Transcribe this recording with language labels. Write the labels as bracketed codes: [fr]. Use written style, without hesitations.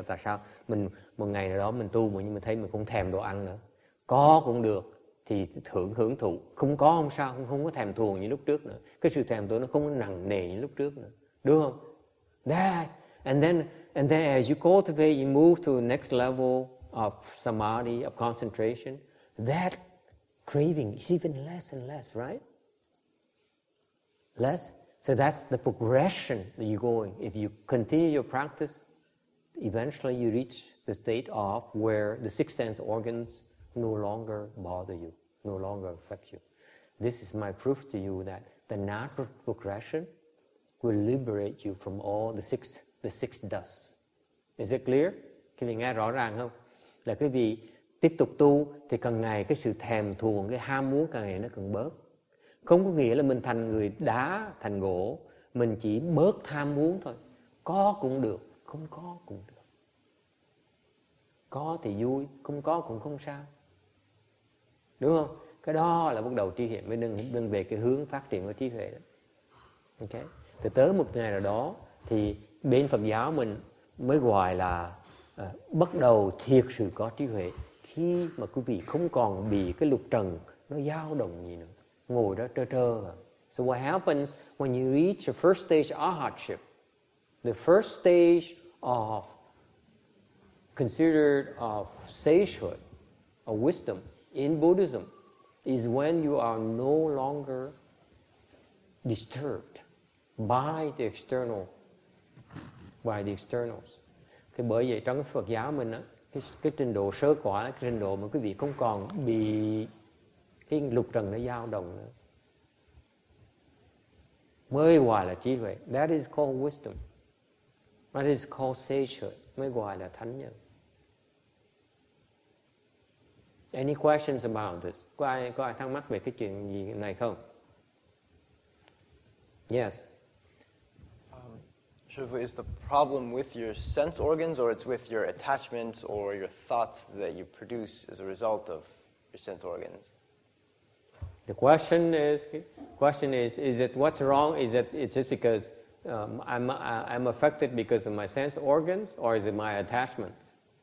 [vi] Tại sao mình một ngày nào đó mình tu mà nhưng mà thấy mình không thèm đồ ăn nữa. Có cũng được thì thưởng hưởng thụ. Không có không sao, không có thèm thuồng như lúc trước nữa. Cái sự thèm thuồng nó không nặng nề như lúc trước nữa. Đúng không? [en] And then as you cultivate, you move to the next level of samadhi, of concentration, that craving is even less and less, right? Less. So that's the progression that you're going. If you continue your practice, eventually you reach the state of where the six sense organs no longer bother you, no longer affect you. This is my proof to you that the natural progression will liberate you from all the six dusts. Is it clear? [vi] Quý vị nghe rõ ràng không? Là quý vị tiếp tục tu thì càng ngày cái sự thèm thuồng, cái ham muốn càng ngày nó càng bớt. Không có nghĩa là mình thành người đá, thành gỗ. Mình chỉ bớt ham muốn thôi. Có cũng được, không có cũng được. Có thì vui, không có cũng không sao. Đúng không? Cái đó là bắt đầu trí huệ mới đừng về cái hướng phát triển của trí huệ đó. Ok? Thì tới một ngày nào đó thì bên Phật giáo mình mới gọi là bắt đầu thiệt sự có trí huệ, khi mà quý vị không còn bị cái lục trần nó dao động gì nữa, ngồi đó trơ trơ. [en] So what happens when you reach the first stage of arhatship, the first stage of considered of sagehood, of wisdom in Buddhism, is when you are no longer disturbed by the external. By the externals. [vi] Thì bởi vậy trong cái Phật giáo mình á, cái trình độ sơ quả là cái trình độ mà quý vị không còn bị cái lục trần nó dao động nữa. Mới gọi là trí huệ. [en] That is called wisdom. That is called sagehood. [vi] Mới gọi là thánh nhân. [en] Any questions about this? [vi] Có ai thắc mắc về cái chuyện gì này không? [en] Yes. Shifu, is the problem with your sense organs, or it's with your attachments or your thoughts that you produce as a result of your sense organs? The question is, is it what's wrong? Is it it's just because I'm affected because of my sense organs, or is it my attachments?